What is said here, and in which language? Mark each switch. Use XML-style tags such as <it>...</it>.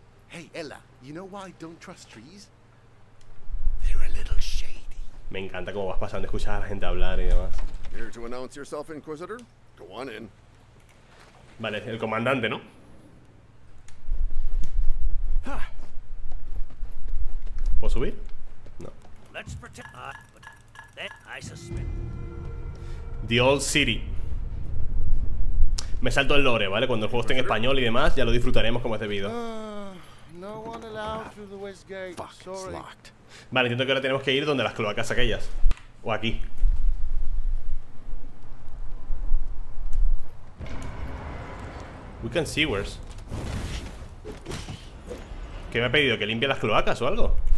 <en>Hey, Ella, you know why I don't trust trees? They're a little shady.</en> <es>Me encanta cómo vas pasando, escuchar a la gente hablar y demás.</es> <en>Here to announce yourself, Inquisitor. Go on in.</en> <es>Vale, el comandante, ¿no? ¿Puedo subir? No.</es> <en>Let's pretend, but then I suspect. The Old City.</en> <es>Me salto el lore, ¿vale? Cuando el juego esté en español y demás, ya lo disfrutaremos como es debido.</es> <en>No one allowed through the west gate. Fuck, sorry. It's locked.</en> <es>Vale, entiendo que ahora tenemos que ir donde las cloacas aquellas. O aquí.</es> <en>We can see where's.</en> <es>¿Qué me ha pedido? ¿Que limpie las cloacas o algo?</es>